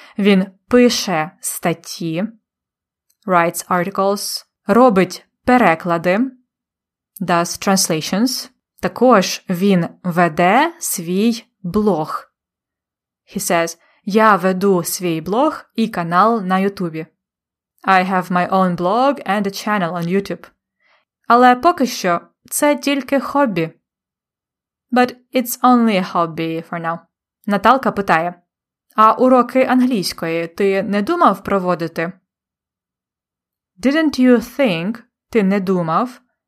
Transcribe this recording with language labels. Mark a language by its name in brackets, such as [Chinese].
[Ukrainian] Він пише статті, [English] writes articles, [Ukrainian] робить переклади, [English] does translations. [Ukrainian] Також він веде свій блог. [English] He says, [Ukrainian] я веду свій блог і канал на YouTube. [English] I have my own blog and a channel on YouTube. [Ukrainian] Але поки що це тільки хобі. [English] But it's only a hobby for now. [Ukrainian] Наталка питає, а уроки англійської ти не думав проводити? [English] Didn't you think, [Ukrainian] ти не думав,